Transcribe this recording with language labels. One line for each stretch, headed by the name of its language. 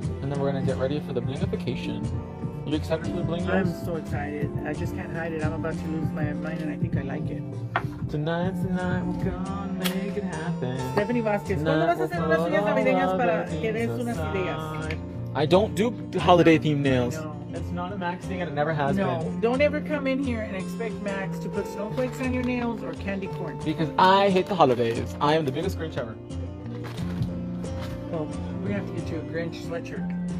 English: And then we're going to get ready for the blingification. Are you excited for the bling? I'm so excited. I just can't hide it. I'm about to lose my mind and I think I like it. Tonight, we're gonna make it happen.
Spanish: Stephanie Vasquez, ¿cuándo vas a hacer unas uñas navideñas para que des unas ideas?
English: I don't do holiday themed nails. No, it's not a Max thing and it never has been. No, don't ever come in here and expect Max to put snowflakes on your nails or candy corn. Because I hate the holidays. I am the biggest Grinch ever. Well, we have to get you a Grinch sweatshirt.